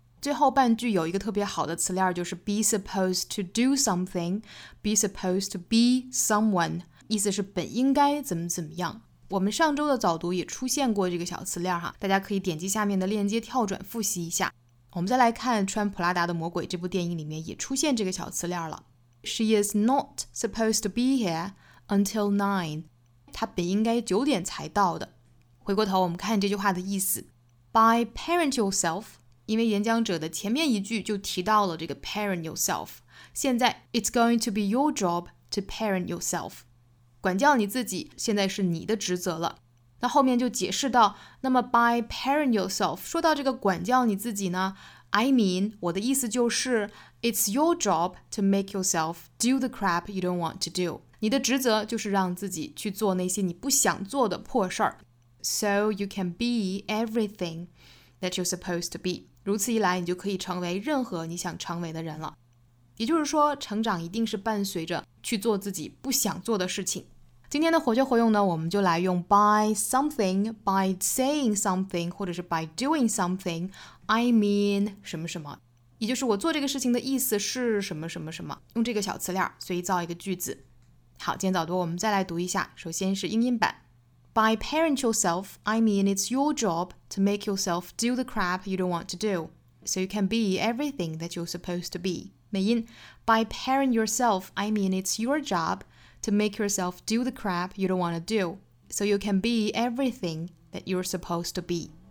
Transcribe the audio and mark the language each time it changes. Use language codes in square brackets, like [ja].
[zh] 最后半句有一个特别好的词链，就是 [en] be supposed to do something, be supposed to be someone， [zh] 意思是本应该怎么怎么样。我们上周的早读也出现过这个小词链哈，大家可以点击下面的链接跳转复习一下。我们再来看穿普拉达的魔鬼这部电影里面也出现这个小词链了。 [en] She is not supposed to be here until 9. [zh] 她本应该九点才到的。回过头我们看这句话的意思 [en] By parent yourself [zh] 因为演讲者的前面一句就提到了这个 parent yourself 现在 [en] It's going to be your job to parent yourself [zh] 管教你自己现在是你的职责了那后面就解释到，那么 [en] by parent yourself, [zh] 说到这个管教你自己呢， [en] I mean, [zh] 我的意思就是 [en] It's your job to make yourself do the crap you don't want to do. [zh] 你的职责就是让自己去做那些你不想做的破事儿。 [en] So you can be everything that you're supposed to be. [zh] 如此一来，你就可以成为任何你想成为的人了。也就是说，成长一定是伴随着去做自己不想做的事情。今天的活学活用呢，我们就来用 by something, [en] by saying something, [zh] 或者是 [en] by doing something, I mean [zh] 什么什么，也就是我做这个事情的意思是什么什么什么，用这个小词链随意造一个句子。好，今天早读我们再来读一下，首先是英音版。 [en] By parent yourself, I mean it's your job to make yourself do the crap you don't want to do, so you can be everything that you're supposed to be. [zh] 美音 [en] By parent yourself, I mean it's your job to make yourself do the crap you don't want to do, so you can be everything that you're supposed to be.